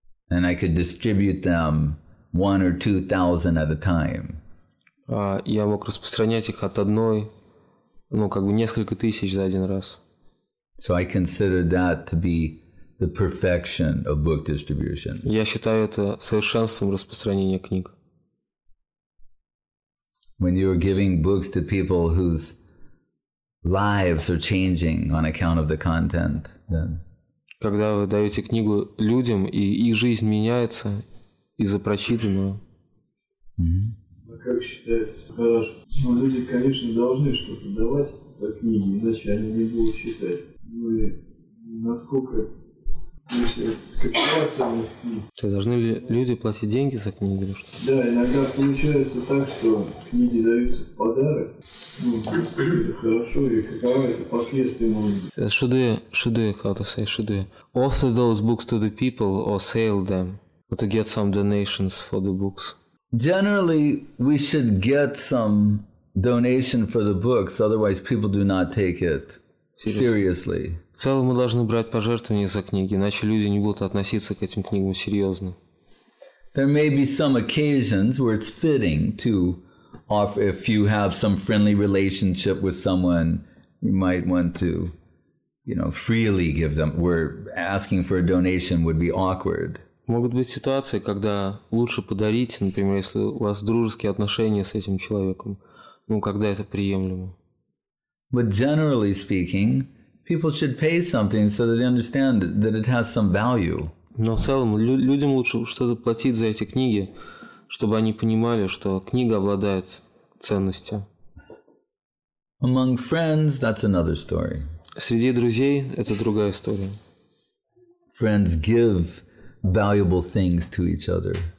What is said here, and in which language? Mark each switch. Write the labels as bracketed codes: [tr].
[en] And I could distribute them 1 or 2,000 at a time. [ru] Я мог распространять их от одной, ну, как бы несколько тысяч за один раз. [en] So I consider that to be the perfection of book distribution. [ru] Я считаю это совершенством распространения книг. [en] When you are giving books to people whose lives are changing on account of the content, then. [ru] Когда вы даете книгу людям и их жизнь меняется из-за прочитанного. А как считается, хорошо? Ну, люди, конечно, должны что-то давать за книги, иначе они не будут читать. Ну и насколько То должны ли люди платить деньги за книги или что? Да, иногда получается так, что книги даются в подарок. Ну, в принципе, это хорошо, и каково это последствия могут быть. [en] Should I offer those books to the people or sell them or to get some donations for the books? Generally, we should get some donation for the books, otherwise people do not take it. Seriously. [ru] В целом мы должны брать пожертвования за книги, иначе люди не будут относиться к этим книгам серьезно. [en] There may be some occasions where it's fitting to offer, if you have some friendly relationship with someone, you might want to, you know, freely give them, where asking for a donation would be awkward. [ru] Могут быть ситуации, когда лучше подарить, например, если у вас дружеские отношения с этим человеком, ну, когда это приемлемо. [en] But generally speaking, people should pay something so that they understand that it has some value. [ru] Но в целом людям лучше что-то платить за эти книги, чтобы они понимали, что книга обладает ценностью. [en] Among friends, that's another story. [ru] Среди друзей это другая история. [en] Friends give valuable things to each other.